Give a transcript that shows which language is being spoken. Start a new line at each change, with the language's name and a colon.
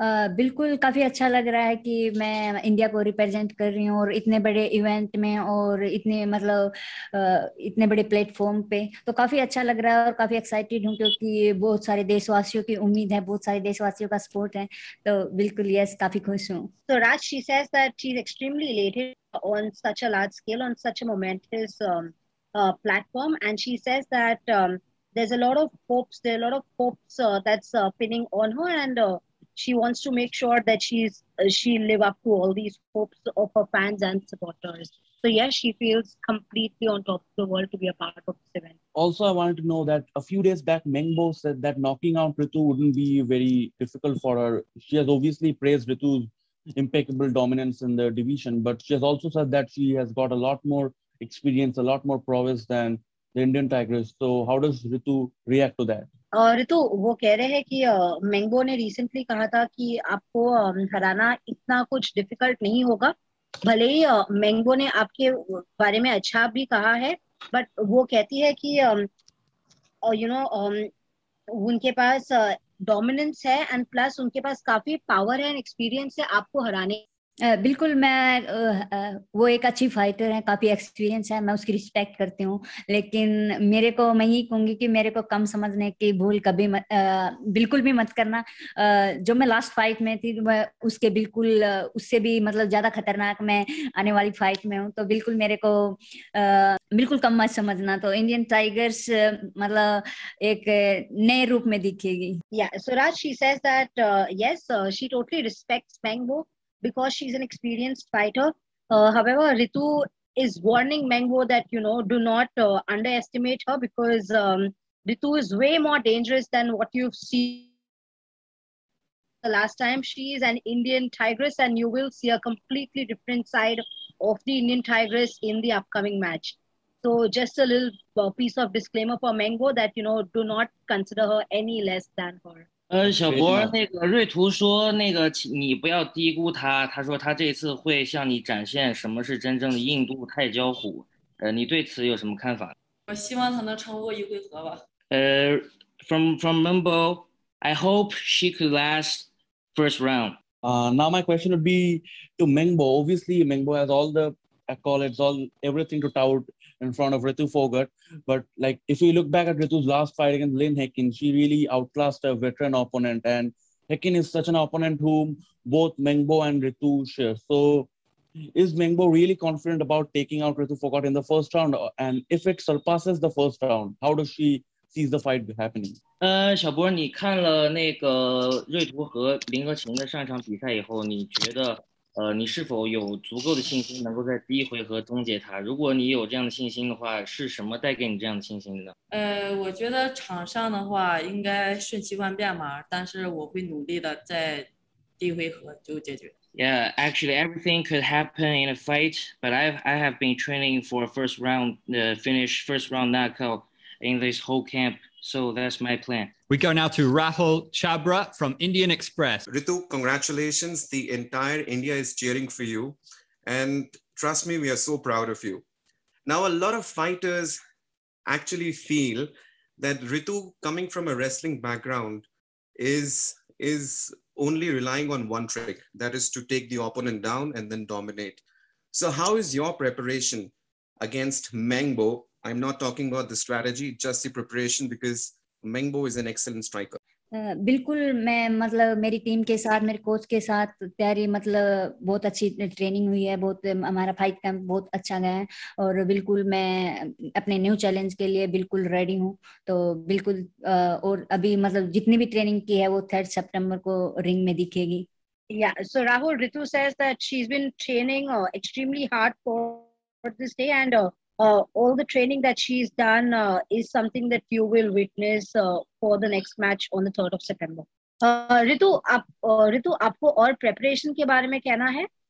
Hindi: बिल्कुल काफी अच्छा लग रहा है कि मैं इंडिया को रिप्रेजेंट कर रही हूँ, और इतने बड़े इवेंट में और इतने मतलब इतने बड़े प्लेटफॉर्म पे, तो काफी अच्छा लग रहा है और काफी एक्साइटेड हूँ, क्योंकि बहुत सारे देशवासियों की उम्मीद है, बहुत सारे देशवासियों का सपोर्ट है, तो बिल्कुल यस, काफी खुश हूँ.
English: So Raj, she says that she's extremely elated on such a large scale, on such a momentous platform, and she says that there's a lot of hopes, there are a lot of hopes that's pinning on her, and she wants to make sure that she live up to all these hopes of her fans and supporters. So yes, she feels completely on top of the world to be a part of this event. Also, I wanted to know that a few days back, Meng Bo said that knocking out Ritu wouldn't be very difficult for her. She has obviously praised Ritu's impeccable dominance in the division, but she has also said that she has got a lot more experience, a lot more prowess than the Indian Tigers. So how does Ritu react to that?
Hindi: Ritu वो कह रहे हैं कि मेंगबो ने recently कहा था कि आपको हराना इतना कुछ डिफिकल्ट नहीं होगा, भले ही मेंगबो ने आपके बारे में अच्छा भी कहा है, बट वो कहती है कि यू नो उनके पास डोमिनेंस है, एंड प्लस उनके पास काफी पावर है एंड एक्सपीरियंस है आपको हराने. बिल्कुल मैं वो एक अच्छी फाइटर है काफी एक्सपीरियंस है मैं उसकी रिस्पेक्ट करती हूँ लेकिन मेरे को मैं ही कहूंगी कि मेरे को कम समझने की भूल कभी बिल्कुल भी मत करना जो मैं लास्ट फाइट में थी मैं उसके बिल्कुल उससे भी मतलब ज्यादा खतरनाक मैं आने वाली फाइट में हूँ तो बिल्कुल मेरे को बिल्कुल कम मत समझना तो इंडियन टाइगर्स मतलब एक नए रूप में दिखेगी
English: Because she's an experienced fighter. However, Ritu is warning Mengbo that, you know, do not underestimate her because Ritu is way more dangerous than what you've seen the last time. She is an Indian tigress and you will see a completely different side of the Indian tigress in the upcoming match. So just a little piece of disclaimer for Mengbo that, you know, do not consider her any less than her.
Chinese: 小博，那个瑞图说，那个你不要低估他。他说他这次会向你展现什么是真正的印度泰交虎。你对此有什么看法？我希望他能撑过一回合吧。
English: From Mumbo, I hope she could last first round. Now my question would be to Mengbo. Obviously, Mengbo has all the accolades, all everything to tout. In front of Ritu Phogat, but like if you look back at Ritu's last fight against Lynn Hecken, she really outclassed a veteran opponent, and Hecken is such an opponent whom both Mengbo and Ritu share. So, is Mengbo really confident about taking out Ritu Phogat in the first round? And if it surpasses the first round, how does she see the fight happening?
Chinese: 小博，你看了那个瑞图和林和晴的上场比赛以后，你觉得？你是否有足够的信心能够在第一回合终结他？如果你有这样的信心的话，是什么带给你这样的信心的？我觉得场上的话应该瞬息万变嘛，但是我会努力的在第一回合就解决。
English: Yeah, actually, everything could happen in a fight, but I have been training for first round, finish first round knockout in this whole camp, so that's my plan. We go now to Rahul Chabra from Indian Express. Ritu, congratulations. The entire India is cheering for you. And trust me, we are so proud of you. Now, a lot of fighters actually feel that Ritu, coming from a wrestling background, is only relying on one trick. That is to take the opponent down and then dominate. So how is your preparation against Mengbo? I'm not talking about the strategy, just the preparation because... Mengbo is an excellent striker.
Hindi: बिल्कुल मैं मतलब मेरी team के साथ मेरे coach के साथ तैयारी मतलब बहुत अच्छी ट्रेनिंग हुई है बहुत हमारा फाइट कैंप बहुत अच्छा गया है और बिल्कुल मैं अपने न्यू चैलेंज के लिए बिल्कुल रेडी हूँ तो बिल्कुल और अभी मतलब जितनी भी ट्रेनिंग की है वो 3rd September को रिंग में दिखेगी.
English: Yeah, so Rahul, Ritu says that she's been training extremely hard for this day and. All the training that she's done is something that you will witness for the next match on the 3rd of September.
Hindi: Ritu, aapko aur preparation ke baare mein kehna hai?